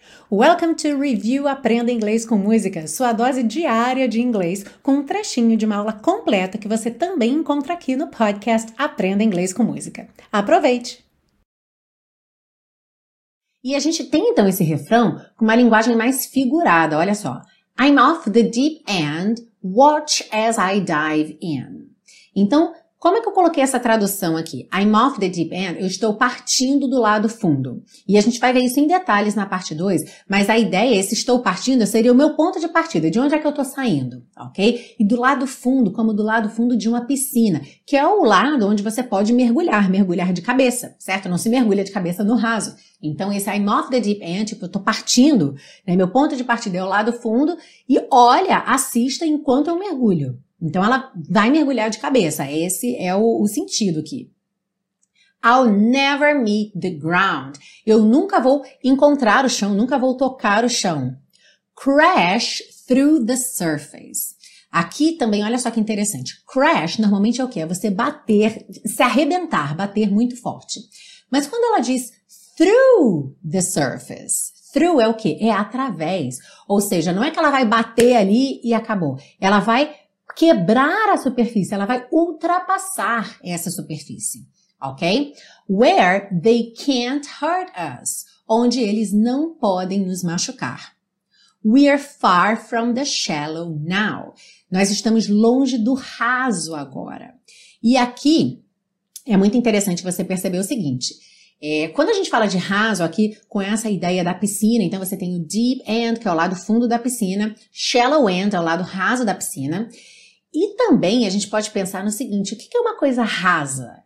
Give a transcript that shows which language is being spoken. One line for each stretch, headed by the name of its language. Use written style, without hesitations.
English: Welcome to
Portuguese: Review Aprenda Inglês com Música, sua dose diária de inglês, com um trechinho de uma aula completa que você também encontra aqui no podcast Aprenda Inglês com Música. Aproveite! E a gente tem então esse refrão com uma linguagem mais figurada, olha só.
English: I'm off the deep end, watch as I dive in.
Portuguese: Então, como é que eu coloquei essa tradução aqui?
English: I'm off the deep end,
Portuguese: eu estou partindo do lado fundo. E a gente vai ver isso em detalhes na parte 2, mas a ideia, esse estou partindo, seria o meu ponto de partida, de onde é que eu estou saindo, ok? E do lado fundo, como do lado fundo de uma piscina, que é o lado onde você pode mergulhar de cabeça, certo? Não se mergulha de cabeça no raso. Então, esse
English: I'm off the deep end,
Portuguese: tipo, eu estou partindo, né? Meu ponto de partida é o lado fundo, e olha, assista enquanto eu mergulho. Então, ela vai mergulhar de cabeça. Esse é o sentido aqui.
English: I'll never meet the ground.
Portuguese: Eu nunca vou encontrar o chão, nunca vou tocar o chão.
English: Crash through the surface.
Portuguese: Aqui também, olha só que interessante. Crash, normalmente, é o quê? É você bater, se arrebentar, bater muito forte. Mas quando ela diz
English: through the surface...
Portuguese: Through é o quê? É através. Ou seja, não é que ela vai bater ali e acabou. Ela vai quebrar a superfície. Ela vai ultrapassar essa superfície. Ok?
English: Where they can't hurt us.
Portuguese: Onde eles não podem nos machucar.
English: We are far from the shallow now.
Portuguese: Nós estamos longe do raso agora. E aqui é muito interessante você perceber o seguinte... quando a gente fala de raso aqui, com essa ideia da piscina, então você tem o
English: deep end,
Portuguese: que é o lado fundo da piscina,
English: shallow end,
Portuguese: é o lado raso da piscina, e também a gente pode pensar no seguinte, o que é uma coisa rasa?